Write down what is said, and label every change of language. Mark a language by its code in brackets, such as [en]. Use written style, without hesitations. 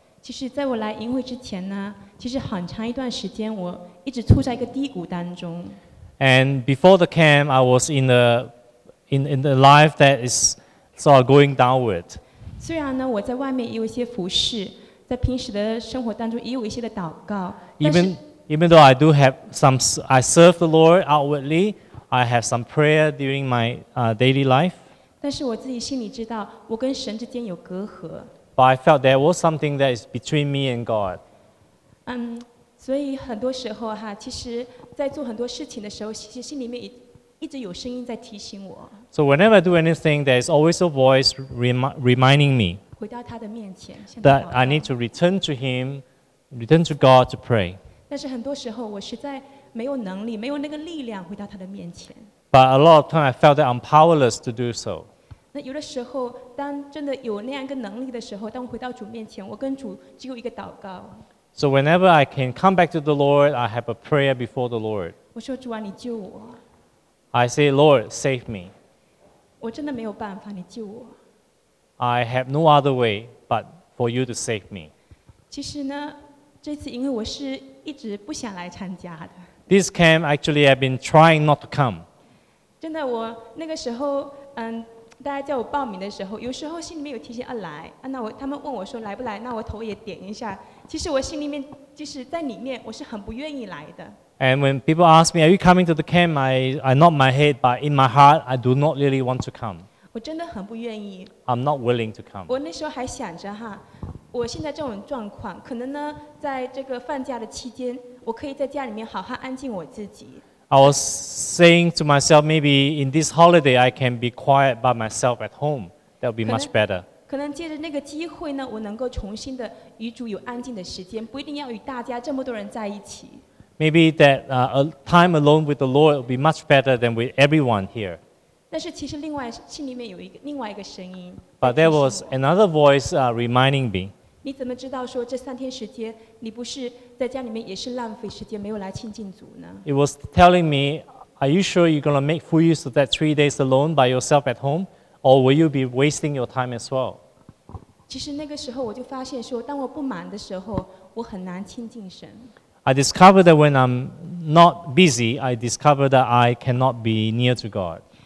[zh] 其实在我来营会之前呢，其实很长一段时间我一直处在一个低谷当中。 [en] And before the camp, I was in a life that is sort of going downward. [zh] 虽然呢，我在外面也有一些服事，在平时的生活当中也有一些的祷告。 [en] Even though I do have some, I serve the Lord outwardly. I have some prayer during my daily life. [zh] 但是我自己心里知道，我跟神之间有隔阂。 [en] But I felt there was something that is between me and God. [zh] 所以很多时候哈，其实在做很多事情的时候，其实心里面一直有声音在提醒我。 [en] So whenever I do anything, there is always a voice reminding me [zh] 回到他的面前, [en] that I need to return to Him, return to God to pray. [zh] 但是很多时候我实在没有能力，没有那个力量回到他的面前。 [en] But a lot of time I felt that I'm powerless to do so. [zh] 那有的时候，当真的有那样一个能力的时候，当我回到主面前，我跟主只有一个祷告。 [en] So whenever I can come back to the Lord, I have a prayer before the Lord. [zh] 我说主啊，你救我。 [en] I say, Lord, save me. [zh] 我真的没有办法，你救我。 [en] I have no other way but for you to save me. [zh] 其实呢，这次因为我是一直不想来参加的。 [en] This camp, actually, I've been trying not to come. [zh] 真的，我那个时候，大家叫我报名的时候，有时候心里面有提醒要来，那我他们问我说来不来，那我头也点一下。其实我心里面，即使在里面，我是很不愿意来的。 [en] And when people ask me, "Are you coming to the camp?" I nod my head, but in my heart, I do not really want to come. [zh] 我真的很不愿意。 [en] I'm not willing to come. [zh] 我那时候还想着哈，我现在这种状况，可能呢，在这个放假的期间，我可以在家里面好好安静我自己。 [en] I was saying to myself, maybe in this holiday, I can be quiet by myself at home. That would be much better. [zh] 可能借着那个机会呢，我能够重新的与主有安静的时间，不一定要与大家这么多人在一起。 [en] Maybe that a time alone with the Lord would be much better than with everyone here. [zh] 但是其实另外心里面有一个另外一个声音。 [en] But there was another voice reminding me. [zh] 你怎么知道说这三天时间你不是在家里面也是浪费时间没有来亲近主呢？ [en] It was telling me, are you sure you're going to make full use of that 3 days alone by yourself at home, or will you be wasting your time as well? [zh] 其实那个时候我就发现说，当我不忙的时候，我很难亲近神。 [en] I discovered that when I'm not busy, I discovered that I cannot be near to God.